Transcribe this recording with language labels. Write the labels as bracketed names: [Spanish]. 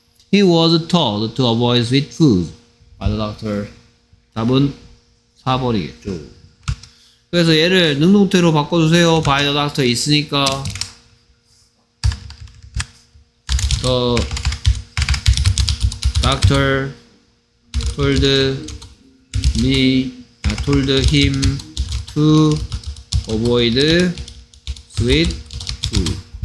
[English] He was told to avoid sweet foods by the doctor. [Korean] 답은 4번이겠죠. 그래서 얘를 능동태로 바꿔주세요. [English] by the doctor 있으니까 the doctor told me told him to avoid sweet food.